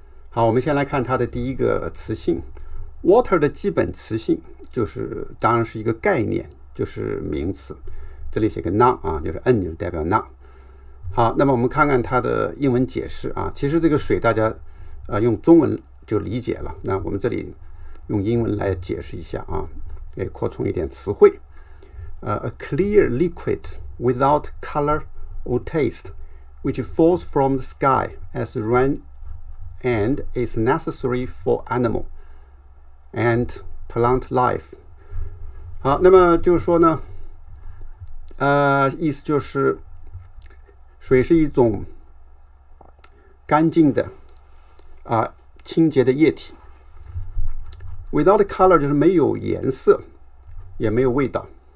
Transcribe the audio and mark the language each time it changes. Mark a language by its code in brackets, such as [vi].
[zh] 好，我们先来看它的第一个词性。water 的基本词性就是，当然是一个概念，就是名词，这里写个 noun 啊，就是 n 就代表 noun。好，那么我们看看它的英文解释啊。其实这个水大家用中文就理解了，那我们这里用英文来解释一下啊，给扩充一点词汇。 [en] A clear liquid without color or taste, which falls from the sky as rain and is necessary for animal and plant life. [zh] 好，那么就是说呢，意思就是水是一种干净的清洁的液体。 [en] Without color [zh] 就是没有颜色，也没有味道。